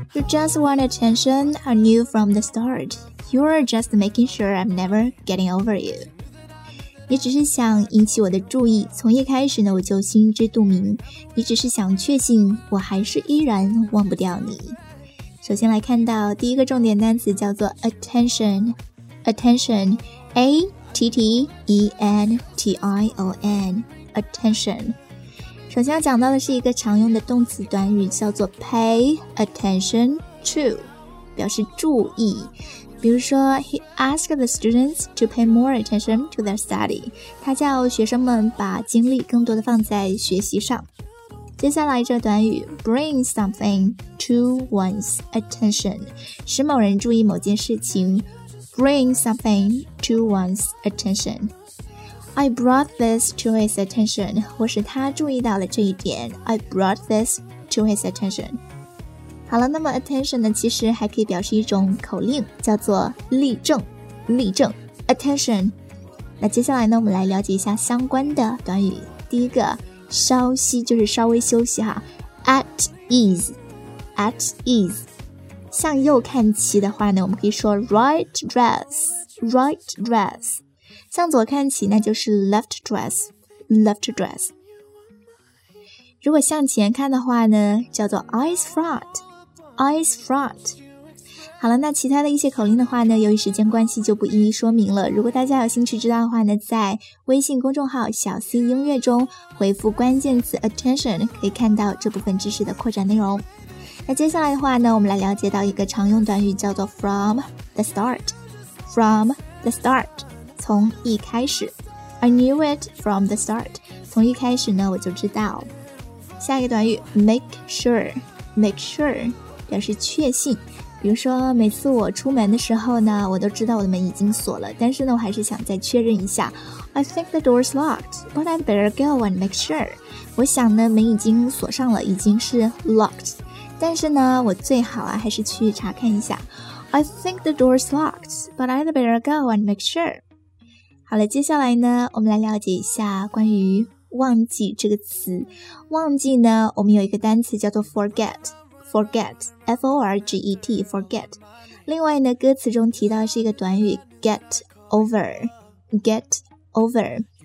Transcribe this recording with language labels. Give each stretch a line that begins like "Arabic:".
English: Just want attention, I knew from the start. You're just making sure I'm never getting over you.
Chinese: 你只是想引起我的注意，从一开始呢我就心知肚明。你只是想确信我还是依然忘不掉你。首先来看到第一个重点单词叫做 attention, attention, A T T E N T I O N, attention. 首先要讲到的是一个常用的动词短语叫做 pay attention to， 表示注意。比如说
English: he asked the students to pay more attention to their study，
Chinese: 他叫学生们把精力更多的放在学习上。接下来这短语
English: bring something to one's attention，
Chinese: 使某人注意某件事情。 bring something to one's attention，
English: I brought this to his attention.
Chinese: 或是他注意到了这一点。
English: I brought this to his attention.
Chinese: 好了，那么 attention 呢，其实还可以表示一种口令，叫做立正，立正 ，attention。那接下来呢，我们来了解一下相关的短语。第一个，稍息，就是稍微休息哈。
English: At ease, at ease。
Chinese: 向右看齐的话呢，我们可以说
English: right dress, right dress。
Chinese: 向左看齐，那就是
English: left dress, left dress。
Chinese: 如果向前看的话呢，叫做
English: eyes front, eyes front。
Chinese: 好了，那其他的一些口令的话呢，由于时间关系就不一一说明了。如果大家有兴趣知道的话呢，在微信公众号小 C 音乐中回复关键词 attention， 可以看到这部分知识的扩展内容。那接下来的话呢，我们来了解到一个常用短语，叫做
English: from the start， from the start，
Chinese: 从一开始。
English: I knew it from the start，
Chinese: 从一开始呢我就知道。下一个短语 make sure， make sure 表示确信。比如说每次我出门的时候呢，我都知道我的门已经锁了，但是呢我还是想再确认一下。
English: I think the door's locked, but I'd better go and make sure.
Chinese: 我想呢门已经锁上了，已经是 locked, 但是呢我最好啊还是去查看一下。
English: I think the door's locked, but I'd better go and make sure.
Chinese: 好了，接下来呢我们来了解一下关于忘记这个词。忘记呢，我们有一个单词叫做 forget,forget, F-O-R-G-E-T, forget. 另外呢，歌词中提到的是一个短语 get over, get over.